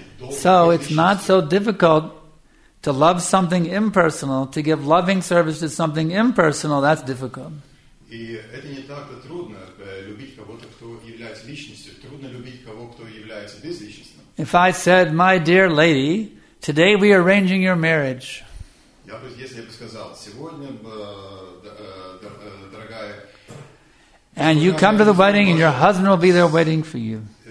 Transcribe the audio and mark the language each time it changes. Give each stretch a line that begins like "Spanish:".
English: So it's not so difficult to love something impersonal, to give loving service to something impersonal, that's difficult.
Russian: И это не так-то трудно любить кого-то, кто является личностью. Трудно любить кого, кто является безличностным.
English: If I said, my dear lady, today we are arranging your marriage.
Russian: Если я бы сказал, сегодня, дорогая...
English: And you come to the wedding and your husband will be there waiting for you.